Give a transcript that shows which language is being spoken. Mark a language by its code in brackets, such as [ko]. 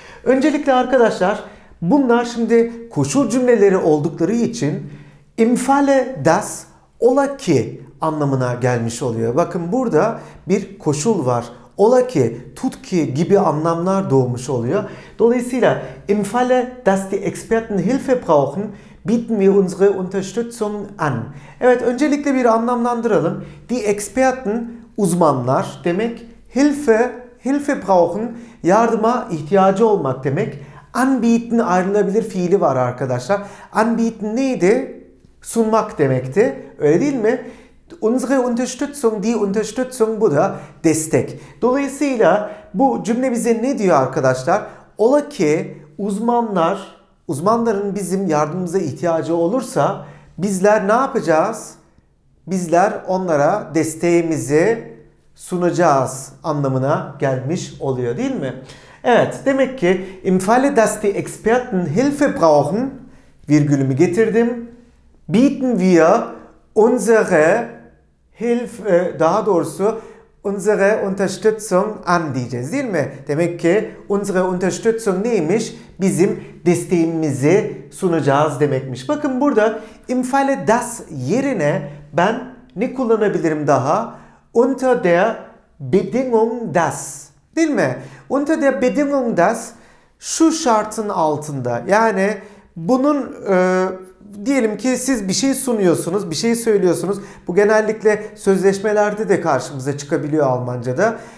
[tr] Öncelikle arkadaşlar bunlar şimdi koşul cümleleri oldukları için [de] im Falle das [tr] ola ki anlamına gelmiş oluyor. Bakın burada bir koşul var. Ola ki, tut ki gibi anlamlar doğmuş oluyor. Dolayısıyla [de] im Falle dass die Experten Hilfe brauchen, bieten wir unsere Unterstützung an. [tr] Evet, öncelikle bir anlamlandıralım. [de] Die Experten, [tr] uzmanlar demek. [de] Hilfe brauchen, [tr] yardıma ihtiyacı olmak demek. Anbieten ayrılabilir fiili var arkadaşlar. Anbieten neydi? Sunmak demekti. Öyle değil mi? [de] Unsere Unterstützung, die Unterstützung, [tr] bu da destek. Dolayısıyla bu cümle bize ne diyor arkadaşlar? Ola ki uzmanların bizim yardımımıza ihtiyacı olursa bizler ne yapacağız? Bizler onlara desteğimizi sunacağız anlamına gelmiş oluyor değil mi? Evet, demek ki [de] im Falle dass die Experten Hilfe brauchen, [tr] virgülümü getirdim, [de] bieten wir unsere Hilfe, [tr] daha doğrusu [de] unsere Unterstützung an [tr] diyeceğiz değil mi? Demek ki [de] unsere Unterstützung [tr] neymiş? Bizim desteğimizi sunacağız demekmiş. Bakın burada [de] im Falle das [tr] yerine ben ne kullanabilirim daha? [de] Unter der Bedingung das. [tr] Değil mi? [de] Unter der Bedingung das [tr] şu şartın altında. Yani bunun diyelim ki siz bir şey sunuyorsunuz, bir şey söylüyorsunuz. Bu genellikle sözleşmelerde de karşımıza çıkabiliyor Almanca'da.